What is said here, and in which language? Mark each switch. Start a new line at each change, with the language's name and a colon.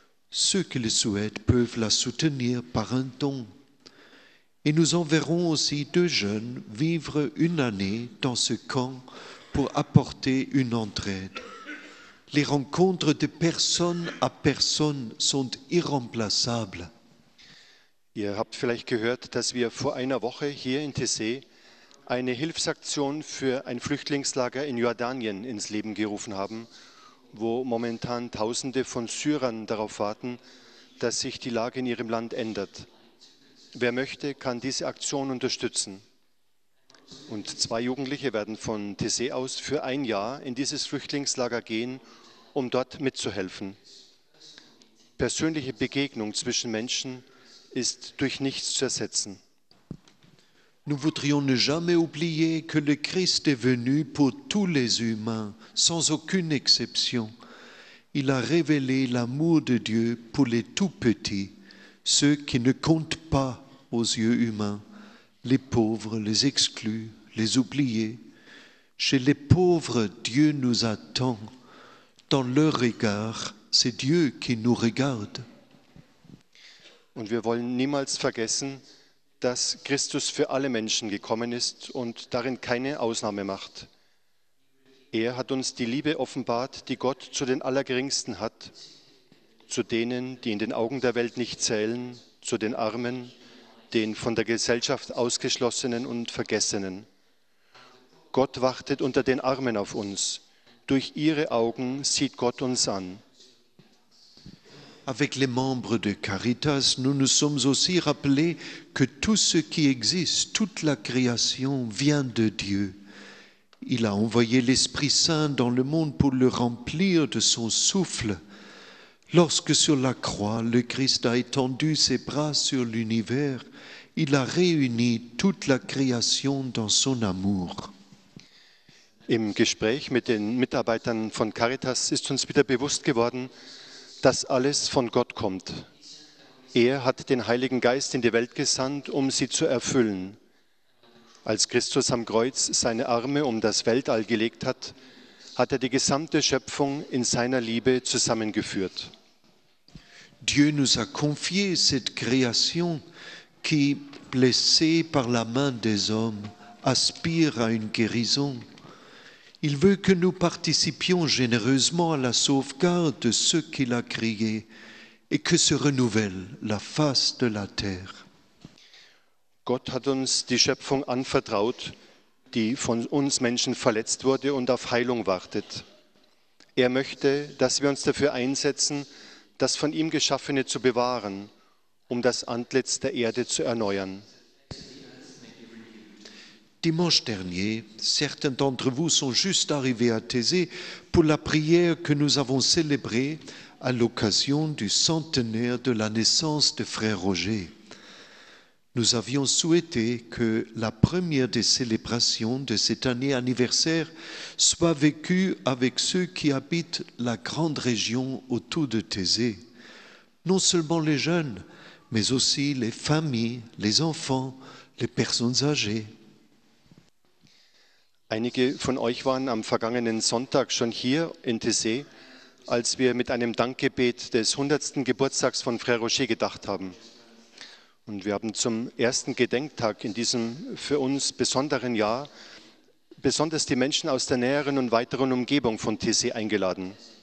French: Ceux qui le souhaitent peuvent la soutenir par un don. Et nous enverrons aussi deux jeunes vivre une année dans ce camp pour apporter une entraide. Les rencontres de personne à personne sont irremplaçables.
German: Ihr habt vielleicht gehört, dass wir vor einer Woche hier in Thésée eine Hilfsaktion für ein Flüchtlingslager in Jordanien ins Leben gerufen haben, wo momentan Tausende von Syrern darauf warten, dass sich die Lage in ihrem Land ändert. Wer möchte, kann diese Aktion unterstützen. Und zwei Jugendliche werden von Thésée aus für ein Jahr in dieses Flüchtlingslager gehen, um dort mitzuhelfen. Persönliche Begegnung zwischen Menschen ist durch nichts zu ersetzen.
French: Nous voudrions ne jamais oublier que le Christ est venu pour tous les humains, sans aucune exception. Il a révélé l'amour de Dieu pour les tout petits, ceux qui ne comptent pas aux yeux humains, les pauvres, les exclus, les oubliés. Chez les pauvres, Dieu nous attend. Dans leur regard, c'est Dieu qui nous regarde.
German: Und wir wollen niemals vergessen, dass Christus für alle Menschen gekommen ist und darin keine Ausnahme macht. Er hat uns die Liebe offenbart, die Gott zu den Allergeringsten hat, zu denen, die in den Augen der Welt nicht zählen, zu den Armen, den von der Gesellschaft Ausgeschlossenen und Vergessenen. Gott wartet unter den Armen auf uns. Durch ihre Augen sieht Gott uns an.
French: Avec les membres de Caritas, nous nous sommes aussi rappelés que tout ce qui existe, toute la création, vient de Dieu. Il a envoyé l'Esprit Saint dans le monde pour le remplir de son souffle. Lorsque sur la croix, le Christ a étendu ses bras sur l'univers, il a réuni toute la création dans son amour.
German: Im Gespräch mit den Mitarbeitern von Caritas ist uns wieder bewusst geworden, dass alles von Gott kommt. Er hat den Heiligen Geist in die Welt gesandt, um sie zu erfüllen. Als Christus am Kreuz seine Arme um das Weltall gelegt hat, hat er die gesamte Schöpfung in seiner Liebe zusammengeführt.
French: Dieu nous a confié cette création qui, blessée par la main des hommes, aspire à une guérison. Il veut que nous participions généreusement à la sauvegarde de ceux qu'il a créés et que se renouvelle la face de la terre.
German: Gott hat uns die Schöpfung anvertraut, die von uns Menschen verletzt wurde und auf Heilung wartet. Er möchte, dass wir uns dafür einsetzen, das von ihm Geschaffene zu bewahren, um das Antlitz der Erde zu erneuern.
French: Dimanche dernier, certains d'entre vous sont juste arrivés à Thésée pour la prière que nous avons célébrée à l'occasion du centenaire de la naissance de Frère Roger. Nous avions souhaité que la première des célébrations de cette année anniversaire soit vécue avec ceux qui habitent la grande région autour de Thésée. Non seulement les jeunes, mais aussi les familles, les enfants, les personnes âgées.
German: Einige von euch waren am vergangenen Sonntag schon hier in Thésée, als wir mit einem Dankgebet des 100. Geburtstags von Frère Roger gedacht haben. Und wir haben zum ersten Gedenktag in diesem für uns besonderen Jahr besonders die Menschen aus der näheren und weiteren Umgebung von Thésée eingeladen.